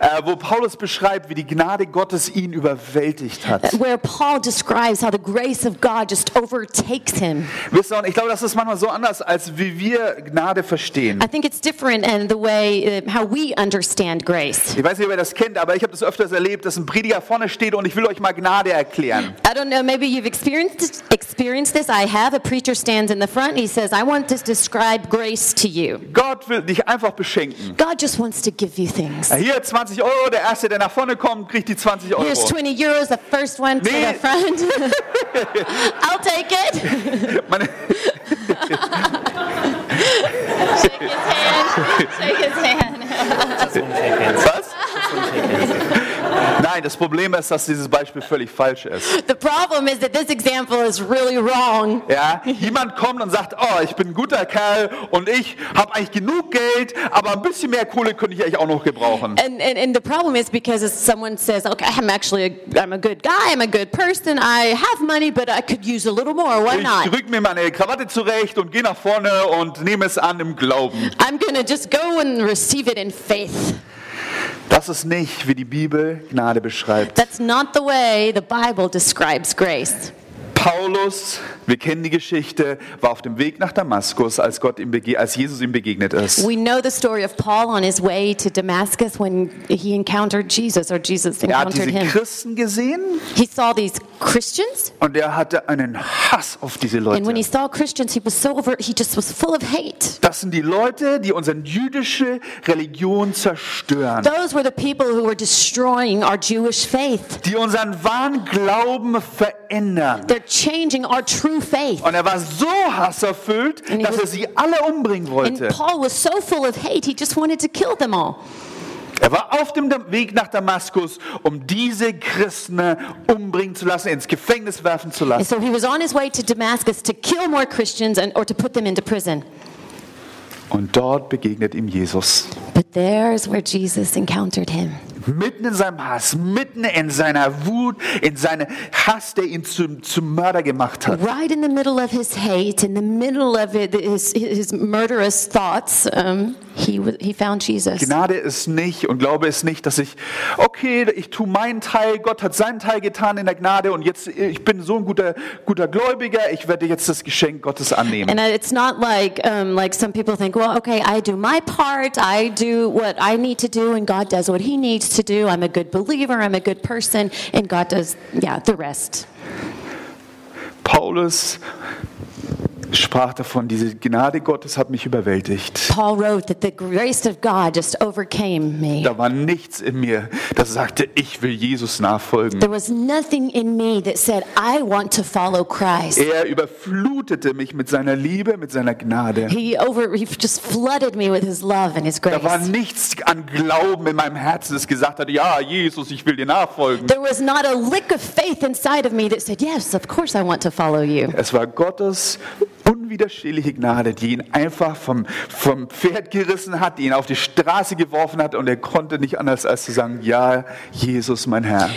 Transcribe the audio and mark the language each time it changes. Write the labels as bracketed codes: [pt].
[de] wo Paulus beschreibt, wie die Gnade Gottes ihn überwältigt hat. [en] Where Paul describes how the grace of God just overtakes him. [de] Wisst ihr, und ich glaube, das ist manchmal so anders, als wie wir Gnade verstehen. [en] I think it's different in the way how we understand grace. [de] Ich weiß nicht, ob ihr das kennt, aber ich habe das öfters erlebt, dass ein Prediger vorne steht und ich will euch mal Gnade erklären. [en] I don't know, maybe you've experienced this. I have. A preacher stands in the front. He says, I want to describe grace to you. [de] Gott will dich einfach beschenken. [en] God just wants to give you things. [de] Hier 20 Euro. Der Erste, der nach vorne kommt, kriegt die 20 Euro. [en] Here's 20 euros. The first one to the front. I'll take it. Shake his hand. [de] Was? Nein, das Problem ist, dass dieses Beispiel völlig falsch ist. The problem is that this example is really wrong. Ja, jemand kommt und sagt, oh, ich bin ein guter Kerl und ich habe eigentlich genug Geld, aber ein bisschen mehr Kohle könnte ich eigentlich auch noch gebrauchen. [en] And the problem is because someone says, okay, I'm a good guy, I'm a good person, I have money, but I could use a little more. Why not? [de] Ich drücke mir meine Krawatte zurecht und gehe nach vorne und nehme es an im Glauben. [en] I'm gonna just go and receive it in faith. [de] Das ist nicht, wie die Bibel Gnade beschreibt. [en] That's not the way the Bible describes grace. [de] Paulus, wir kennen die Geschichte, war auf dem Weg nach Damaskus, als Gott ihm als Jesus ihm begegnet ist. [en] We know the story of Paul on his way to Damascus when he encountered Jesus or Jesus encountered him. [de] Er hat diese Christen gesehen. [en] He saw these Christians. [de] Und er hatte einen Hass auf diese Leute. [en] And when he saw Christians, he was so over, he just was full of hate. [de] Das sind die Leute, die unsere jüdische Religion zerstören. [en] Those were the people who were destroying our Jewish faith. [de] Die unseren wahren Glauben verändern. [en] Changing our true faith. [de] Und er war so hasserfüllt, dass er sie alle umbringen wollte. [en] And Paul was so full of hate, he just wanted to kill them all. [de] Er war auf dem Weg nach Damaskus, um diese Christen umbringen zu lassen, ins Gefängnis werfen zu lassen. [en] And so he was on his way to Damascus to kill more Christians and or to put them into prison. [de] Und dort begegnet ihm Jesus. [en] But there is where Jesus encountered him. [de] Mitten in seinem Hass, mitten in seiner Wut, in seinem Hass, der ihn zum Mörder gemacht hat. [en] Right in the middle of his hate, in the middle of it, his murderous thoughts, he found Jesus. [de] Gnade ist nicht und Glaube ist nicht, dass ich, okay, ich tue meinen Teil, Gott hat seinen Teil getan in der Gnade und jetzt ich bin so ein guter Gläubiger, ich werde jetzt das Geschenk Gottes annehmen. [en] And it's not like like some people think, well, okay, I do my part, I do what I need to do, and God does what He needs to do. I'm a good believer, I'm a good person, and God does, yeah, the rest. [de] Paulus sprach davon, diese Gnade Gottes hat mich überwältigt. [en] Paul wrote that the grace of God just overcame me. [de] Da war nichts in mir, das sagte, ich will Jesus nachfolgen. [en] There was nothing in me that said, I want to follow Christ. [de] Er überflutete mich mit seiner Liebe, mit seiner Gnade. [en] He just flooded me with his love and his grace. [de] Da war nichts an Glauben in meinem Herzen, das gesagt hat, ja, Jesus, ich will dir nachfolgen. [en] There was not a lick of faith inside of me that said, yes, of course I want to follow you. [de] Es war Gottes unwiderstehliche Gnade, die ihn einfach vom Pferd gerissen hat, die ihn auf die Straße geworfen hat und er konnte nicht anders als zu sagen, ja, Jesus, mein Herr.